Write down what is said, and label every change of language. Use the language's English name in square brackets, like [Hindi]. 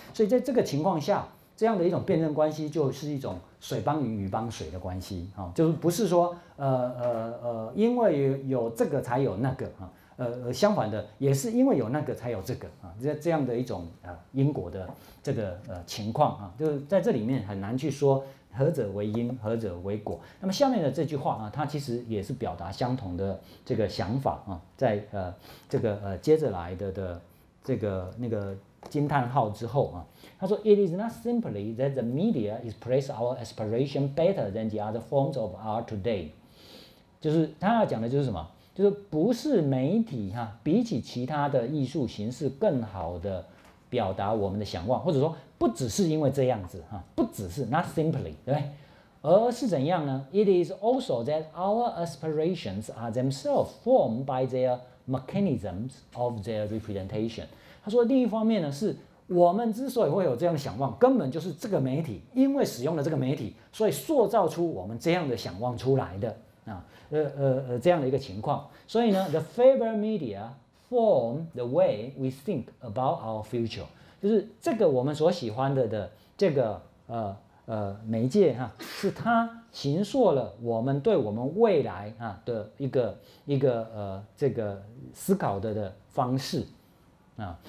[Chinese] 所以在这个情况下，这样的一种辩证关系就是一种水帮鱼，鱼帮水的关系、哦、就是不是说因为有这个才有那个、啊、相反的，也是因为有那个才有这个、啊、这样的一种因果的这个情况、啊、就是在这里面很难去说何者为因，何者为果。那么下面的这句话啊，它其实也是表达相同的这个想法啊，在接着来的这个那个。惊叹号之后、啊、他说 [English] It is not simply that the media express our aspiration better than the other forms of art today。 [Chinese] 就是他要讲的就是什么，就是不是媒体、啊、比起其他的艺术形式更好的表达我们的想望，或者说不只是因为这样子、啊、不只是 [English] not simply， [Chinese] 对，而是怎样呢？ [English] It is also that our aspirations are themselves formed by their mechanisms of their representation。 [Chinese] 他说另一方面呢，是我们之所以会有这样的想望，根本就是这个媒体，因为使用了这个媒体，所以塑造出我们这样的想望出来的、啊、这样的一个情况。所以呢 [English] the favored media form the way we think about our future， [Chinese] 就是这个我们所喜欢的这个媒介、啊、是它形塑了我们对我们未来、啊、的一个这个思考 的方式啊。